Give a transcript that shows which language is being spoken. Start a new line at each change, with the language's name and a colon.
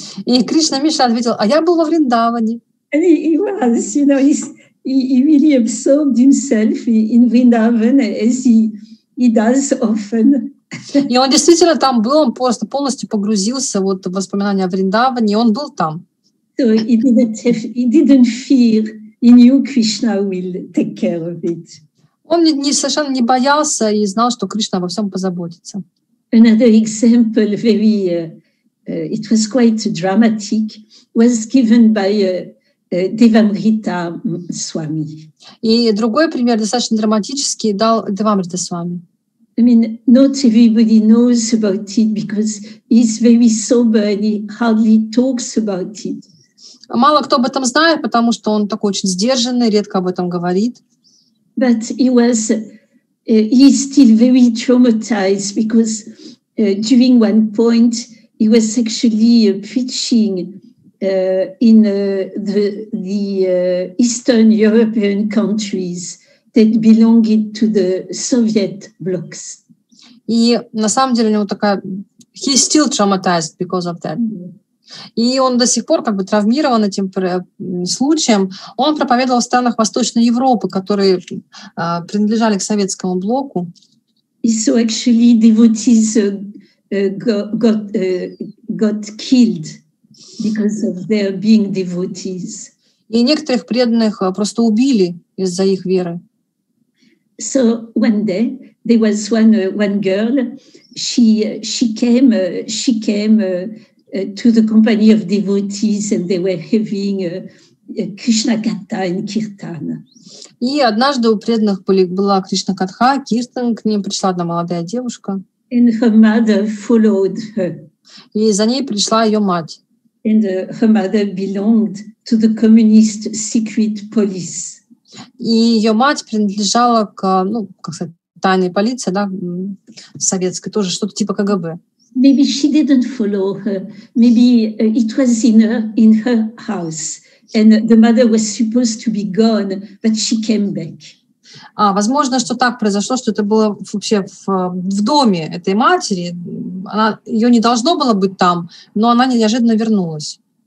Russian: И Кришна Мишра ответил, а я был во Вриндаване.
English: And he was, you know, he really absorbed himself in Vrindavan as he does often.
Russian: И он действительно там был, он просто полностью погрузился вот, в воспоминания о Вриндаване, и он был там.
English: So he didn't fear. He knew Krishna will take care of it.
Russian: Он совершенно не боялся и знал, что Кришна обо всем позаботится.
English: Another example, it was quite dramatic, was given by Devamrita Swami.
Russian: И другой пример, достаточно драматический, дал Девамрита Свами.
English: I mean, not everybody knows about it because he's very sober and he hardly talks about it.
Russian: Мало кто об этом знает, потому что он такой очень сдержанный, редко об этом говорит.
English: But he's still very traumatized because during one point he was actually preaching in the Eastern European countries that belonged to the Soviet blocs.
Russian: И на самом деле у него такая...
English: He's still traumatized because of that.
Russian: И он до сих пор как бы травмирован этим случаем. Он проповедовал в странах Восточной Европы, которые принадлежали к советскому блоку.
English: So actually devotees got killed because of their being devotees.
Russian: И некоторых преданных просто убили из-за их веры.
English: So one day there was one girl. She came to the company of devotees, and they were having
Russian: Кришна Катха и Киртана. И однажды у преданных была Кришна Катха, Киртан, к ним пришла одна молодая девушка.
English: And her mother followed her.
Russian: И за ней пришла ее мать.
English: And her mother belonged to the communist secret police.
Russian: И ее мать принадлежала к, ну, как сказать, тайной полиции, да, советской, тоже что-то типа КГБ.
English: Maybe she didn't follow her. Maybe it was in her house, and the mother was supposed to be gone, but she came back.
Russian: А, возможно, что так произошло, что это было вообще в доме этой матери. Она, ее не должно было быть там, но она неожиданно вернулась.